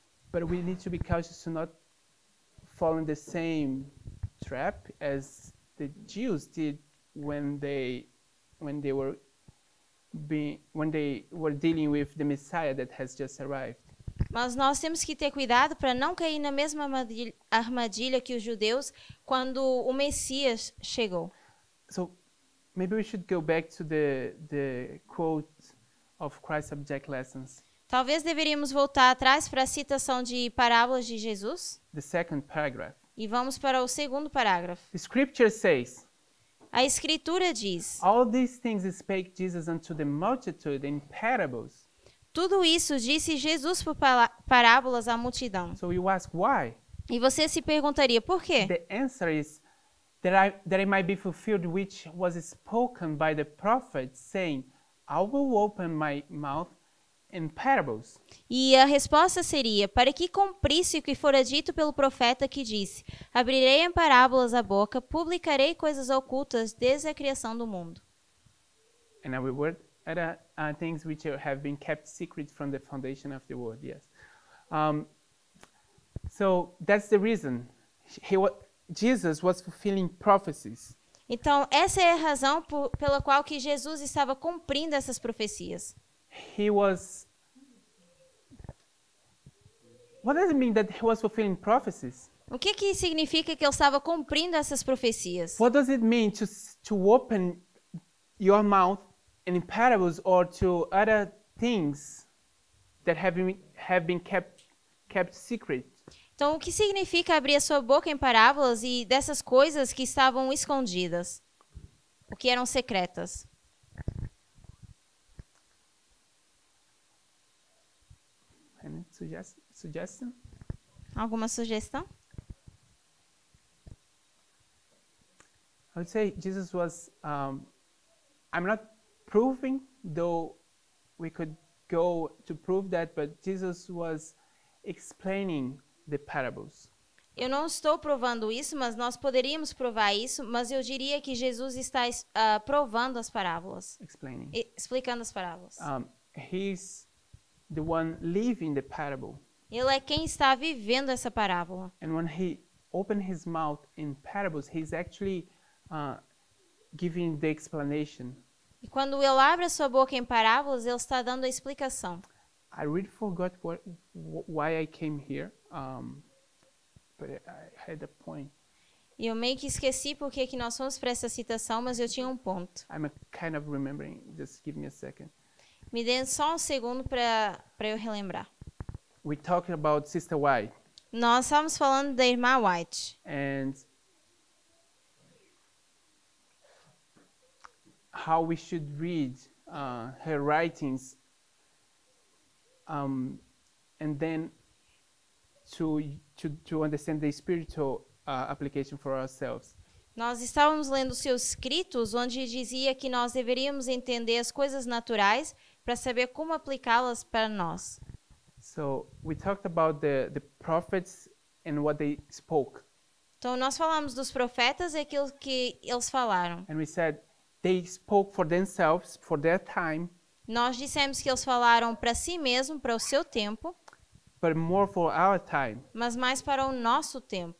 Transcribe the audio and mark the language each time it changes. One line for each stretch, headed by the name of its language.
English: But we need to be cautious to not fall in the same trap as the Jews did when they were dealing with the Messiah that has just arrived.
Portuguese: Mas nós temos que ter cuidado para não cair na mesma armadilha que os judeus quando o Messias chegou.
English: So maybe we should go back to the quote of Christ's object lessons.
Portuguese: Talvez deveríamos voltar atrás para a citação de parábolas de Jesus.
English: The second paragraph.
Portuguese: E vamos para o segundo parágrafo.
English: The scripture says.
Portuguese: A escritura diz.
English: All these things spake Jesus unto the multitude in parables.
Portuguese: Tudo isso disse Jesus por parábolas à multidão.
English: So you ask why?
Portuguese: E você se perguntaria por quê?
English: The answer is that it might be fulfilled which was spoken by the prophet saying, I will open my mouth in parables.
Portuguese: E a resposta seria, para que cumprisse o que fora dito pelo profeta que disse, abrirei em parábolas a boca, publicarei coisas ocultas desde a criação do mundo.
English: And now we were at things which have been kept secret from the foundation of the world, yes. So that's the reason. Jesus was fulfilling prophecies.
Portuguese: Então, essa é a razão pela qual que Jesus estava cumprindo essas profecias.
English: He was... What does it mean that he was fulfilling prophecies?
Portuguese: O que que significa que ele estava cumprindo essas profecias?
English: What does it mean to open your mouth in parables or to other things that have been kept secret?
Portuguese: Então, o que significa abrir a sua boca em parábolas e dessas coisas que estavam escondidas? O que eram secretas?
English: Suggestion?
Portuguese: Alguma sugestão?
English: I would say Jesus was... I'm not proving, though we could go to prove that, but Jesus was explaining... The parables.
Portuguese: Eu não estou provando isso, mas nós poderíamos provar isso, mas eu diria que Jesus está provando as parábolas.
English: Explaining.
Portuguese: Explicando as parábolas.
English: He's the one living the parable.
Portuguese: Ele é quem está vivendo essa parábola.
English: And when he opened his mouth in parables, he's actually giving the explanation.
Portuguese: E quando ele abre a sua boca em parábolas, ele está dando a explicação.
English: I really forgot why I came here. But I had a point.
Portuguese: Eu meio que esqueci porque que nós fomos para essa citação, mas eu tinha um ponto.
English: I'm kind of remembering. Just give me a second.
Portuguese: Me dê só um segundo para eu relembrar.
English: We talked about Sister White.
Portuguese: Nós estávamos falando da irmã White.
English: And how we should read her writings. And then to understand the spiritual application for ourselves.
Portuguese: Nós estávamos lendo seus escritos onde dizia que nós deveríamos entender as coisas naturais para saber como aplicá-las para nós.
English: So we talked about the prophets and what they spoke.
Portuguese: Então nós falamos dos profetas e aquilo que eles falaram.
English: And we said they spoke for themselves, for their time.
Portuguese: Nós dissemos que eles falaram para si mesmo, para o seu tempo.
English: But more for our time.
Portuguese: Mas mais para o nosso tempo.